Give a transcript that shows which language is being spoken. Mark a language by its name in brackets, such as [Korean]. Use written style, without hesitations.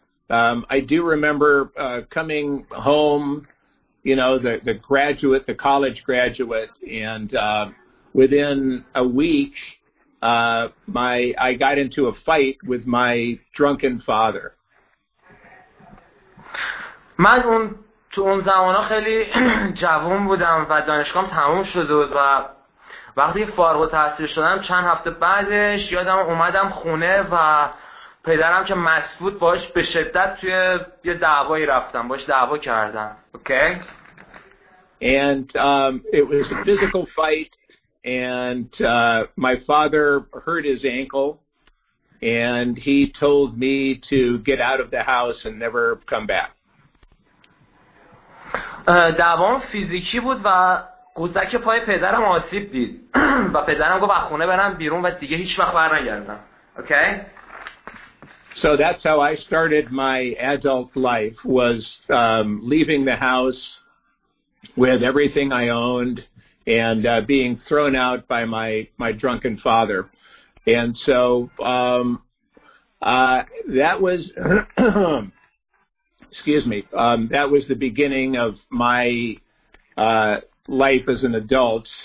[English] I do remember coming home, you know, the graduate, the college graduate, and within a week, I got into a fight with my drunken father. [Persian] من اون تو اون زمانا خیلی جوان بودم و دانشگاهم تموم شده بود و وقتی فارغ التحصیل شدم چند هفته بعدش یادم اومدم خونه و پدرم که مسعود باش به شدت توی یه دعوایی رفتم، باش دعوا کردم. اوکی. [English] And it was a physical fight And my father hurt his ankle, and he told me to get out of the house and never come back. [Persian] دوام فیزیکی بود و قوزک پای پدرم آسیب دید و پدرم گفت از خونه برم بیرون و دیگه هیچ وقت برنگردم. [English] Okay? So that's how I started my adult life, was leaving the house with everything I owned and being thrown out by my drunken father. And so that was excuse me, that was the beginning of my life as an adult.